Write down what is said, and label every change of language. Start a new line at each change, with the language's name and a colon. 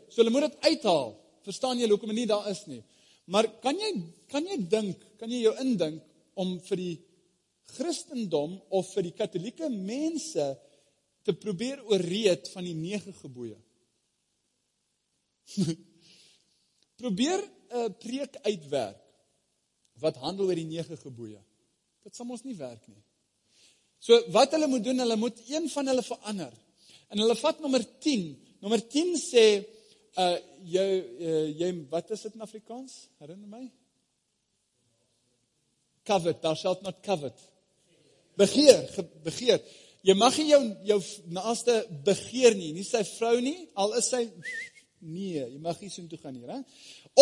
Afrikaans: So hulle moet dit uithaal, verstaan jy hoekom nie daar is nie. Maar kan jy jou indink, om vir die Christendom of vir die katholieke mense te probeer ooreed van die 9 geboeie. Probeer 'n preek uitwerk wat handel oor die 9 geboeie. Dit sal ons nie werk nie. So wat hulle moet doen, hulle moet een van hulle verander. En hulle vat nummer 10. Nummer 10 sê, jy, wat is dit in Afrikaans? Herinner my?
English: Covet, thou shalt not covet. Begeer.
Afrikaans: Jy mag nie jou naaste begeer nie, nie sy vrou nie, al is sy, nee, jy mag nie soen toe gaan nie, he?